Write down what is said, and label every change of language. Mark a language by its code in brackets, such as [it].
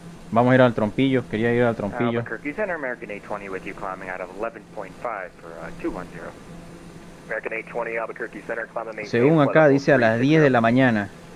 [es] Vamos a ir al trompillo, quería ir al trompillo. [en] Albuquerque Center, American 820 with you climbing out of 11.5 for 210. American 820, Albuquerque Center, climbing main. [es] Según acá dice a las 10 de la mañana.